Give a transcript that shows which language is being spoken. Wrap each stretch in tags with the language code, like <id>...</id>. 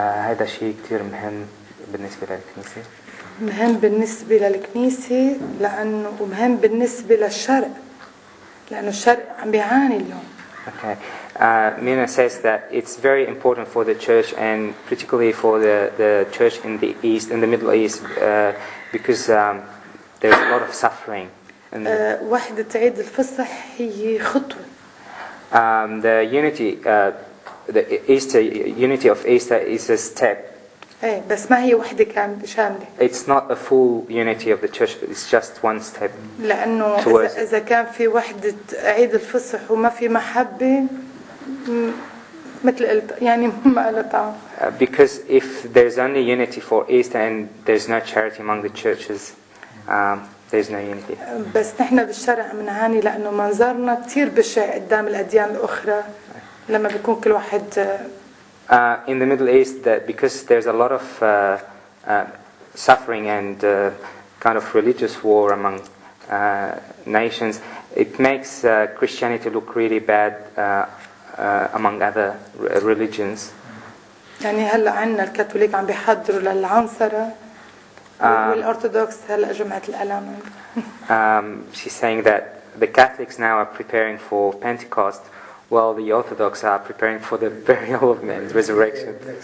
<ar>هذا شيء كتير مهم بالنسبة للكنيسة. مهم بالنسبة للكنيسة لأنه مهم بالنسبة للشرق لأنه الشرق عم بيعاني اليوم.</ar> <en>Okay. Mina says that it's very important for the church and particularly for the church in the east in the Middle East because there's a lot of suffering.</en> <ar>وحدة عيد الفصح هي خطوة.</ar> <en>The unity, the Easter unity of Easter is a step.</en> <ar>إيه بس ما هي وحدة كاملة شاملة.</ar> <en>It's not a full unity of the church, but it's just one step.</en> <ar>لأنه إذا كان في وحدة عيد الفصح وما في محبة مثل يعني ما له طعم.</ar> <en>Because if there's only unity for Easter and there's no charity among the churches, there's no unity.</en> <ar>بس نحن بالشرق منعاني لأنه منظرنا كتير بشع قدام الأديان الأخرى لما بيكون كل واحد.</ar> <en>In the Middle East, that because there's a lot of suffering and kind of religious war among nations, it makes Christianity look really bad among other religions.</en> <ar>يعني هلا عنا الكاثوليك عم بيحضروا للعنصرة والأرثوذكس هلا جمعة الألم.</ar> <en>She's saying that the Catholics now are preparing for Pentecost. Well, the Orthodox are preparing for the burial of men, resurrection.</en>